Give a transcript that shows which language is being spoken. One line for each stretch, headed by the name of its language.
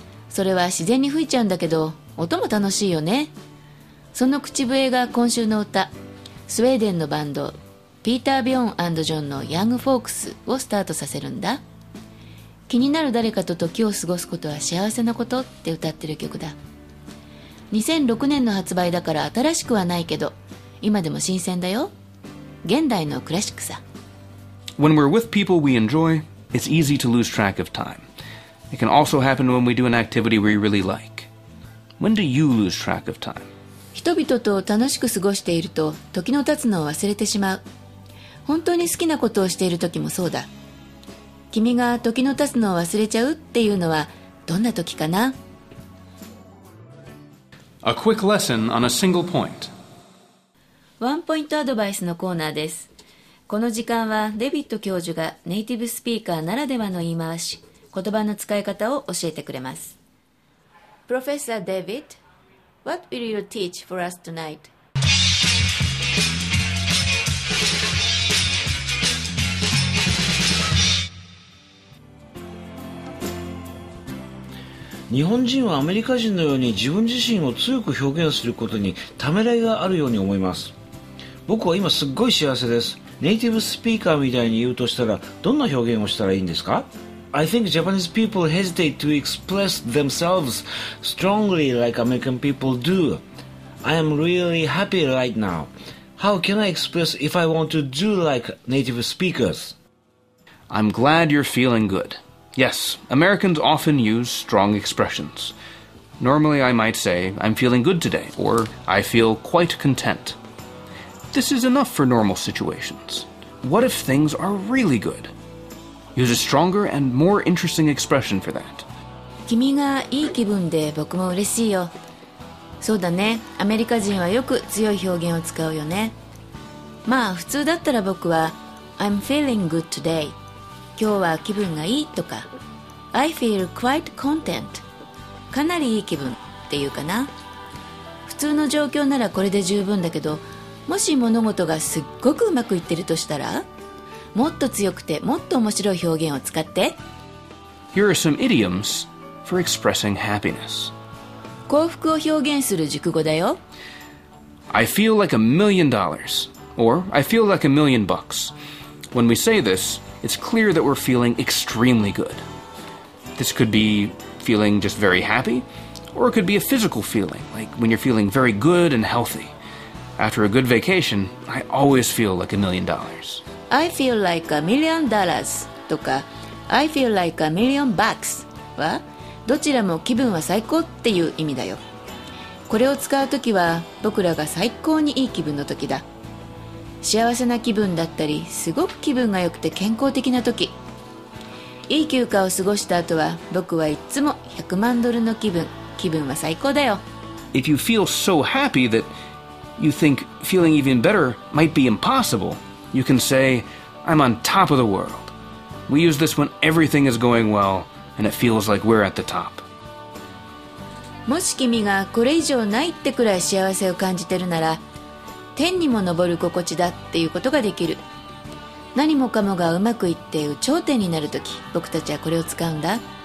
Japanese: それは自然に吹いちゃうんだけど、音も楽しいよね。その口笛が今週の歌、スウェーデンのバンド、ピーター・ビョーン&ジョンのヤング・フォークスをスタートさせるんだ。気になる誰かと時を過ごすことは幸せなことって歌ってる曲だ。2006年の発売だから新しくはないけど、今でも新鮮だよ。現代のクラシックさ。
English: When we're with people we enjoy, it's easy to lose track of time. It can also happen when we do an activity we really like. When do you lose track of time?
Japanese: 人々と楽しく過ごしていると時の経つのを忘れてしまう。本当に好きなことをしている時もそうだ。君が時の経つのを忘れちゃうっていうのはどんな時かな？
English: A quick lesson on a single point.
Japanese: ワンポイントアドバイスのコーナーです。この時間はデビッド教授がネイティブスピーカーならではの言い回し、言葉の使い方を教えてくれます。
English: Professor David, what will you teach for us tonight?
Japanese: 日本人はアメリカ人のように自分自身を強く表現することにためらいがあるように思います。僕は今すっごい幸せです。ネイティブスピーカーみたいに言うとしたらどんな表現をしたらいいんですか？
English: I think Japanese people hesitate to express themselves strongly like American people do. I am really happy right now. How can I express if I want to do like native speakers? I'm glad you're feeling goodYes, Americans often use strong expressions. Normally I might say, I'm feeling good today, or I feel quite content. This is enough for normal situations. What if things are really good? Use a stronger and more interesting expression for that.
Japanese: 君がいい気分で僕も嬉しいよ。そうだね、アメリカ人はよく強い表現を使うよね。まあ普通だったら僕は、
English: I'm feeling good today.
Japanese: 今日は気分がいいとか
English: I feel quite content
Japanese: かなりいい気分っていうかな。普通の状況ならこれで十分だけど、もし物事がすっごくうまくいってるとしたら、もっと強くてもっと面白い表現を使って。
English: Here are some idioms for expressing happiness.
Japanese: 幸福を表現する熟語だよ。
English: I feel like a million dollars or I feel like a million bucks. When we say thisIt's clear that we're feeling extremely good. This could be feeling just very happy, or it could be a physical feeling, like when you're feeling very good and healthy. After a good vacation, I always feel like $1,000,000. I feel like $1,000,000,
Japanese: とか
English: I feel like $1,000,000
Japanese: は、どちらも気分は最高っていう意味だよ。これを使うときは、僕らが最高にいい気分のときだ。幸せな気分だったり、すごく気分が良くて健康的な時、いい休暇を過ごした後は、僕はいつも100万ドルの気分、気分は最高だよ。
English: If you feel so happy that you think feeling even better might be impossible, you can say, I'm on top of the world. We use this when everything is going well and it feels like we're at the top.
Japanese: もし君がこれ以上ないってくらい幸せを感じてるなら、天にも昇る心地だっていうことができる。何もかもがうまくいって頂点になるとき、僕たちはこれを使うんだ。